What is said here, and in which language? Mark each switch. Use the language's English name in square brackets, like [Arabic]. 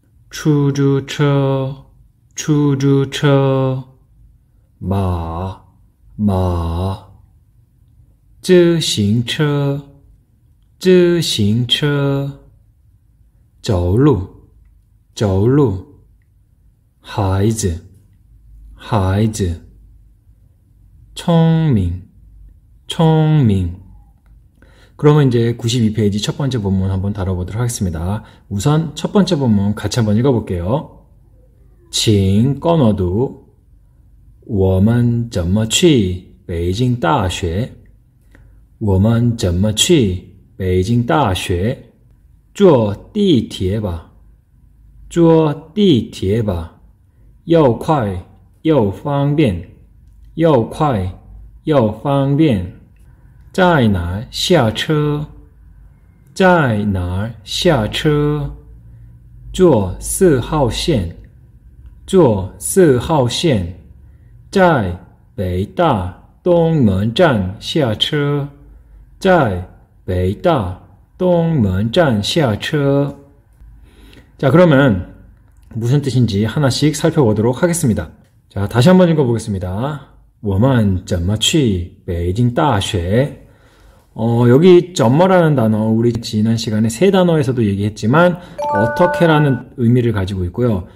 [Chinese] 出租车，出租车，马，马，自行车，自行车。走路，走路，孩子，孩子，聪明，聪明。 [Korean] 그러면 이제 92페이지 첫 번째 본문 한번 다뤄보도록 하겠습니다. 우선 첫 번째 본문 같이 한번 읽어볼게요. [Chinese] 请 꺼넣어두. 我们怎么去北京大学？我们怎么去北京大学？坐地铁吧，坐地铁吧，又快又方便，又快又方便。在哪儿下车？在哪儿下车？坐四号线，坐四号线，在北大东门站下车，在北大东门站下车。 [Korean] 자, 그러면 무슨 뜻인지 하나씩 살펴보도록 하겠습니다. 자, 다시 한번 읽어보겠습니다. 我们怎么去北京大学？ 여기 怎么라는 단어, 우리 지난 시간에 세 단어에서도 얘기했지만, 어떻게라는 의미를 가지고 있고요.